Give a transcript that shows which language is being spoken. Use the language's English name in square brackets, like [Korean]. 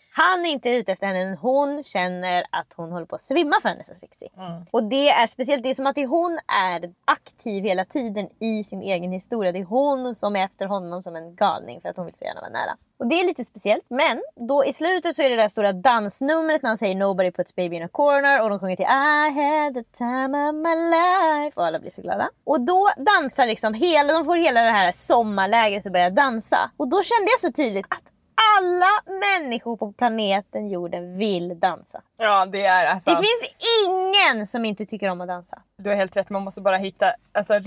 [Swedish] Han är inte ute efter henne, men hon känner att hon håller på att svimma för henne så sexy. Mm. Och det är speciellt, det är som att hon är aktiv hela tiden i sin egen historia. Det är hon som är efter honom som en galning för att hon vill så gärna vara nära. Och det är lite speciellt, men då i slutet så är det där stora dansnumret när han säger [English] Nobody puts baby in a corner. [Swedish] Och de sjunger till [English] I had the time of my life. [Swedish] Och alla blir så glada. Och då dansar liksom hela, de får hela det här sommarlägret och börjar dansa. Och då kände jag så tydligt att alla människor på planeten jorden vill dansa. Ja, det är alltså. Det finns ingen som inte tycker om att dansa. Du har helt rätt, man måste bara hitta alltså, rätt.